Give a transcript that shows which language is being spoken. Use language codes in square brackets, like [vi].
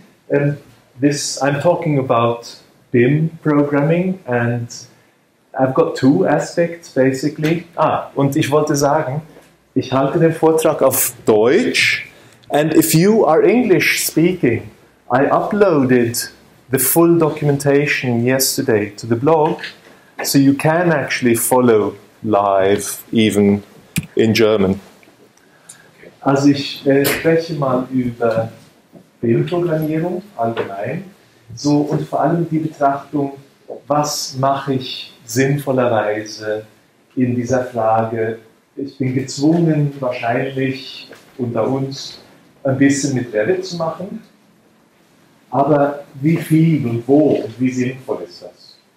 [en] I'm talking about BIM programming and I've got two aspects basically. [de] Und ich wollte sagen, ich halte den Vortrag auf Deutsch. [en] And if you are English speaking, I uploaded the full documentation yesterday to the blog, so you can actually follow live even in German. [de] Also ich spreche mal über BIM-Programmierung allgemein, so und vor allem die Betrachtung, was mache ich sinnvollerweise in dieser Frage. Ich bin gezwungen, wahrscheinlich unter uns ein bisschen mit Revit zu machen, aber wie viel und wo und wie sinnvoll ist das?